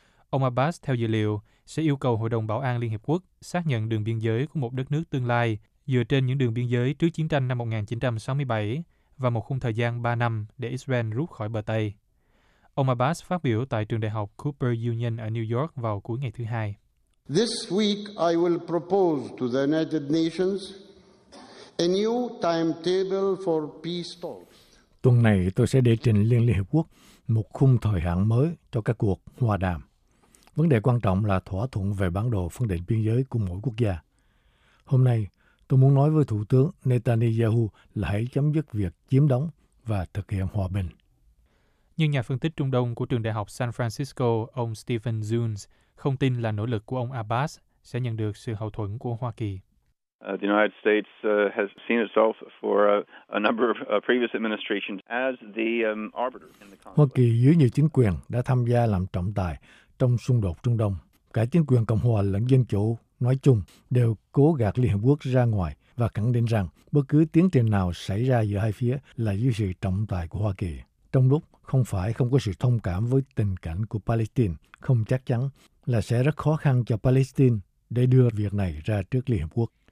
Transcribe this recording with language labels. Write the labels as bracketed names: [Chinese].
[Vietnamese] Ông Abbas, theo dữ liệu, sẽ yêu cầu Hội đồng Bảo an Liên Hiệp Quốc xác nhận đường biên giới của một đất nước tương lai dựa trên những đường biên giới trước chiến tranh năm 1967 và một khung thời gian 3 năm để Israel rút khỏi bờ Tây. Ông Abbas phát biểu tại trường đại học Cooper Union ở New York vào cuối ngày thứ Hai. [English] This week I will propose to the United Nations a new timetable for peace talks. [Vietnamese] Tuần này tôi sẽ đề trình lên Liên Hiệp Quốc một khung thời hạn mới cho các cuộc hòa đàm. Vấn đề quan trọng là thỏa thuận về bản đồ phân định biên giới của mỗi quốc gia. Hôm nay, tôi muốn nói với Thủ tướng Netanyahu là hãy chấm dứt việc chiếm đóng và thực hiện hòa bình. Nhưng nhà phân tích Trung Đông của Trường Đại học San Francisco, ông Stephen Zunes, không tin là nỗ lực của ông Abbas sẽ nhận được sự hậu thuẫn của Hoa Kỳ. [English] The United States has seen itself for a number of previous administrations as the arbiter in the conflict. [Vietnamese] Hoa Kỳ dưới nhiều chính quyền đã tham gia làm trọng tài trong xung đột Trung Đông. Cả chính quyền Cộng hòa lẫn Dân chủ nói chung đều cố gạt Liên Hợp Quốc ra ngoài và khẳng định rằng bất cứ tiến trình nào xảy ra giữa hai phía là dưới sự trọng tài của Hoa Kỳ. Trong lúc không phải không có sự thông cảm với tình cảnh của Palestine, không chắc chắn là sẽ rất khó khăn cho Palestine để đưa việc này ra trước Liên Hợp Quốc.